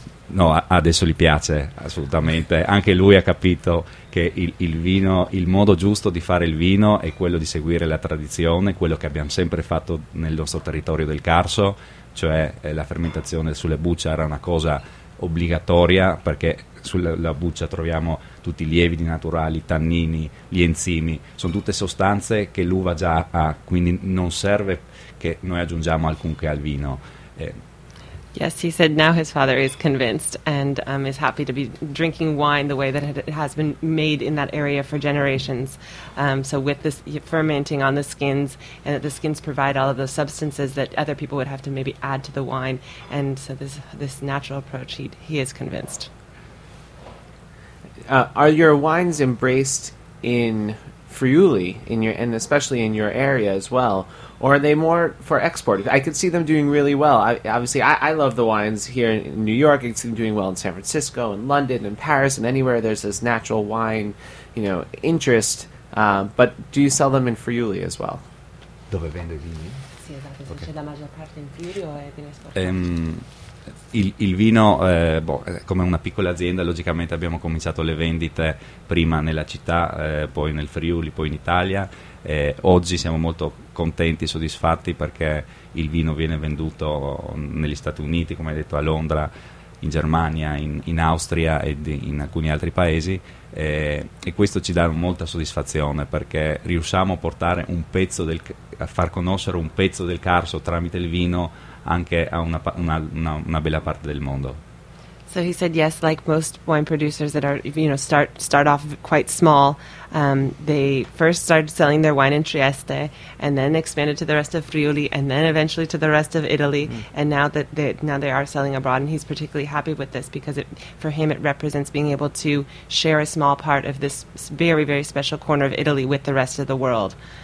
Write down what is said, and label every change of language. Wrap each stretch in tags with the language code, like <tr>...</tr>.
<it>No, adesso gli piace assolutamente. Anche lui ha capito che il vino, il modo giusto di fare il vino è quello di seguire la tradizione, quello che abbiamo sempre fatto nel nostro territorio del Carso, cioè la fermentazione sulle bucce era una cosa obbligatoria, perché sulla buccia troviamo tutti i lieviti naturali, i tannini, gli enzimi, sono tutte sostanze che l'uva già ha, quindi non serve che noi aggiungiamo alcunché al vino.</it> <en>Yes, he said now his father is convinced and is happy to be drinking wine the way that it has been made in that area for generations. So with this fermenting on the skins, and that the skins provide all of those substances that other people would have to maybe add to the wine. And so this natural approach, he is convinced. Are your wines embraced in Friuli, and especially in your area as well, or are they more for export? I could see them doing really well. I love the wines here in New York. I see them doing well in San Francisco and London and Paris and anywhere there's this natural wine, you know, interest. But do you sell them in Friuli as well?</en> <it>Dove vende vini? Sì, esatto. Okay. C'è la maggior parte in Friuli o è in esport? Il vino, come una piccola azienda, logicamente abbiamo cominciato le vendite prima nella città, poi nel Friuli, poi in Italia. Oggi siamo molto contenti, soddisfatti, perché il vino viene venduto negli Stati Uniti, come hai detto, a Londra, in Germania, in Austria e in alcuni altri paesi. E questo ci dà molta soddisfazione, perché riusciamo a portare a far conoscere un pezzo del Carso tramite il vino anche a una bella parte del mondo.</it> <en>So he said yes, like most wine producers that are, you know, start off quite small, they first started selling their wine in Trieste and then expanded to the rest of Friuli and then eventually to the rest of Italy. And now that they are selling abroad, and he's particularly happy with this because for him it represents being able to share a small part of this very, very special corner of Italy with the rest of the world.</en>